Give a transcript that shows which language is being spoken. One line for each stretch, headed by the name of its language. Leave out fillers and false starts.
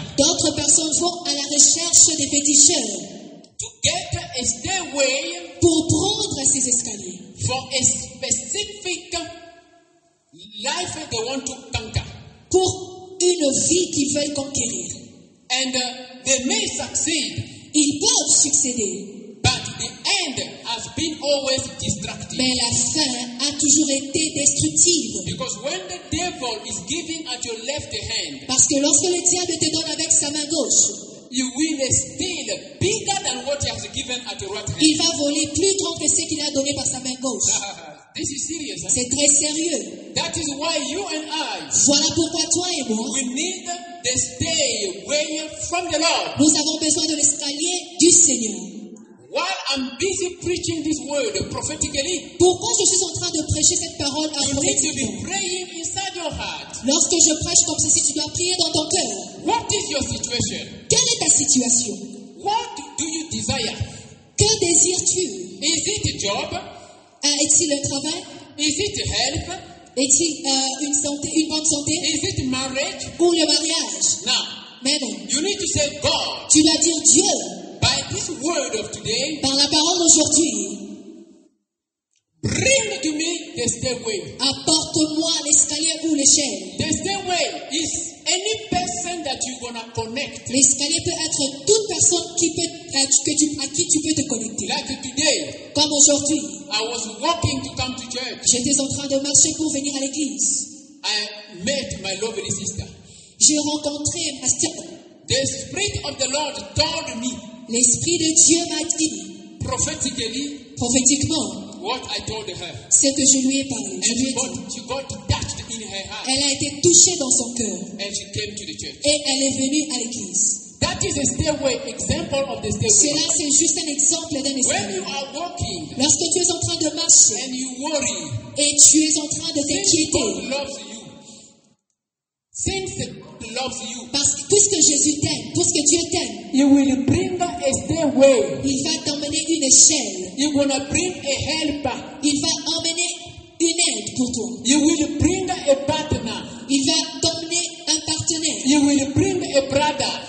French: D'autres personnes vont à la recherche des féticheurs
English: to get a stairway,
French: pour prendre ces escaliers
English: for a specific life they want to conquer,
French: pour une vie qu'ils veulent conquérir.
English: And they may succeed,
French: ils peuvent succéder,
English: but the end has been always destructive.
French: Mais la fin a toujours été destructive.
English: Because when the devil is giving at your left hand,
French: parce que lorsque le diable te donne avec sa main gauche,
English: you will steal bigger than what he has given at your right hand.
French: Il va voler plus grand que ce qu'il a donné par sa main gauche.
English: This is serious, hein?
French: C'est très sérieux.
English: That is why you and I,
French: voilà pourquoi toi et moi,
English: we need the stairway from the Lord.
French: Nous avons besoin de l'escalier du Seigneur.
English: While I'm busy preaching this word prophetically,
French: pourquoi je suis en train de prêcher cette parole à vous?
English: You need to be praying inside your heart.
French: Lorsque je prêche comme ceci, tu dois prier dans ton cœur.
English: What is your situation?
French: Quelle est ta situation?
English: What do you desire?
French: Que désires-tu?
English: Is it a job?
French: Est-il un travail?
English: Is it health?
French: Est-il une santé, une bonne santé?
English: Is it marriage?
French: Ou le mariage?
English: Now,
French: mais bon,
English: you need to say God.
French: Tu dois dire Dieu.
English: By this word of today,
French: par la parole d'aujourd'hui,
English: bring to me the stairway.
French: Apporte-moi l'escalier ou l'échelle.
English: The stairway is any person that you're gonna connect.
French: L'escalier peut être toute personne qui peut, à qui tu peux te connecter.
English: Like today,
French: comme aujourd'hui,
English: I was walking to come to church.
French: J'étais en train de marcher pour venir à l'église.
English: I met my lovely sister.
French: J'ai rencontré ma sœur.
English: The Spirit of the Lord told me.
French: L'Esprit de Dieu m'a dit.
English: Prophetically.
French: Prophétiquement.
English: What I told her.
French: Ce que je lui ai parlé.
English: And she got touched in her heart.
French: Elle a été touchée dans son cœur.
English: And she came to the church.
French: Et elle est venue à l'église.
English: That is a stairway, example of the stairway.
French: Cela, c'est juste un exemple d'un escalier.
English: When you are walking,
French: lorsque tu es en train de marcher,
English: and you worry,
French: et tu es en train de t'inquiéter,
English: since God loves you, since God loves you,
French: parce que puisque Jésus t'aime, puisque Dieu t'aime,
English: he will bring a stairway.
French: Il va t'emmener une échelle.
English: He will bring a helper.
French: Il va emmener une aide pour toi.
English: He will bring a partner.
French: Il va t'emmener un partenaire.
English: He will bring a brother.